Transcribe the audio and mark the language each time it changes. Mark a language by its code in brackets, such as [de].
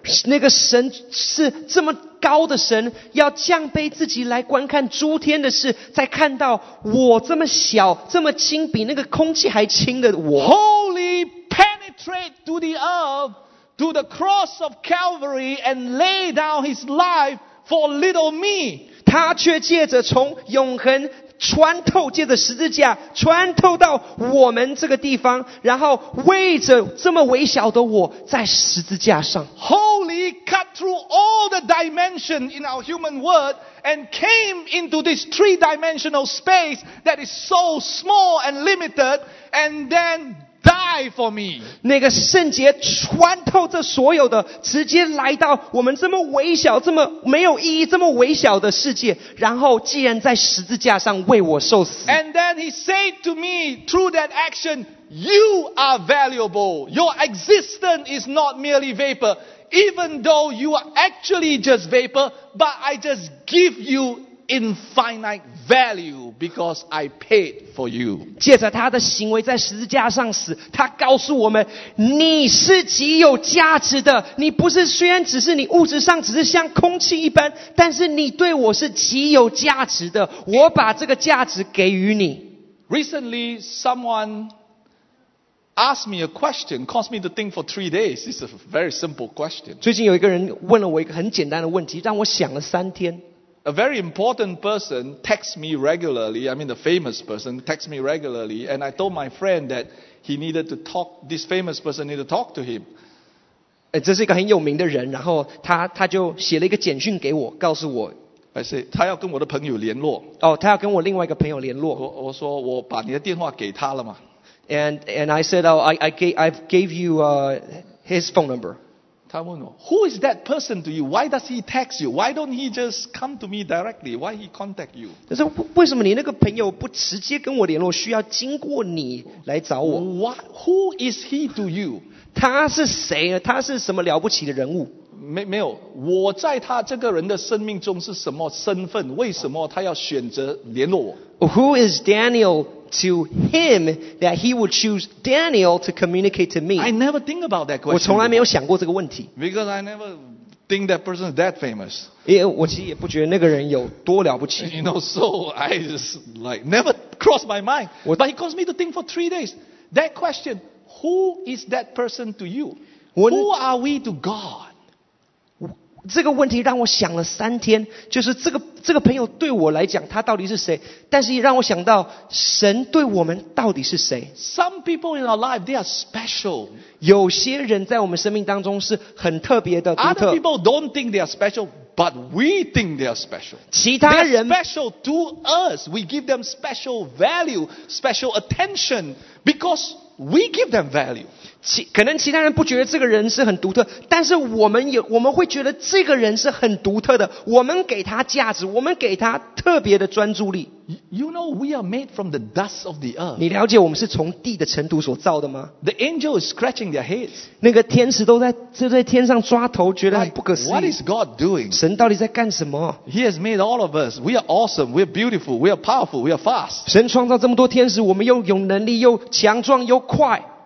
[zh] 那个神是这么高的神，要降卑自己来观看诸天的事，再看到我这么小，这么轻，比那个空气还轻的我。 [en] Holy penetrate to the earth, to the cross of Calvary, and lay down his life for little me. [zh] 他却借着从永恒穿透，借着十字架穿透到我们这个地方，然后为着这么微小的我在十字架上。 [en] Holy cut through all the dimension in our human world and came into this three-dimensional space that is so small and limited and then die for me. [zh] 那个圣洁穿透这所有的，直接来到我们这么微小，这么没有意义，这么微小的世界，然后既然在十字架上为我受死。 [en] And then he said to me through that action, you are valuable. Your existence is not merely vapor, even though you are actually just vapor, but I just give youinfinite value because I paid for you. [zh] 借着他的行为在十字架上死，他告诉我们，你是极有价值的。你不是虽然只是你物质上只是像空气一般，但是你对我是极有价值的。我把这个价值给予你。 [en] Recently, someone asked me a question, caused me to think for 3 days. It's a very simple question. [zh] 最近有一个人问了我一个很简单的问题，让我想了三天。 [en] A very important person texts me regularly, I mean the famous person texts me regularly, and I told my friend that he needed to talk, this famous person needed to talk to him. [zh] 这是一个很有名的人，然后 他就写了一个简讯给我，告诉我。 [en] I say, [zh] 他要跟我的朋友联络。哦，他要跟我另外一个朋友联络。我说，我把你的电话给他了嘛。 [en] And I said, oh, I gave you his phone number. [zh] 他问我 [en] ，Who is that person to you? Why does he text you? Why don't he just come to me directly? Why he contact you? [zh] 他说，为什么你那个朋友不直接跟我联络，需要经过你来找我 [en] ？What? Who is he to you? [zh] 他是谁呢？他是什么了不起的人物？没有，我在他这个人的生命中是什么身份？为什么他要选择联络我 [en] ？Who is Daniel to him that he would choose Daniel to communicate to me? I never think about that question. [zh] 我从来没有想过这个问题。 [en] Because I never think that person is that famous. [zh] 因为我其实也不觉得那个人有多了不起。 [en] You know, so I just like never crossed my mind. But he caused me to think for 3 days. That question, who is that person to you? Who are we to God? [zh] 这个问题让我想了三天，就是这个朋友对我来讲，他到底是谁？但是也让我想到，神对我们到底是谁 [en] ？Some people in our life they are special. [zh] 有些人在我们生命当中是很特别的、独特。 [en] Other people don't think they are special, but we think they are special. [zh] 其他人 [en] they are special to us. We give them special value, special attention because we give them value. [zh] 可能其他人不觉得这个人是很独特，但是我们会觉得这个人是很独特的。我们给他价值，我们给他特别的专注力。 [en] You know we are made from the dust of the earth. [zh] 你了解我们是从地的尘土所造的吗 [en] ？The angel is scratching their heads. [zh] 那个天使都在天上抓头，觉得很不可思议。 [en] What is God doing? [zh] 神到底在干什么 [en] ？He has made all of us. We are awesome. We are beautiful. We are powerful. We are fast. [zh] 神创造这么多天使，我们又有能力，又强壮，又快。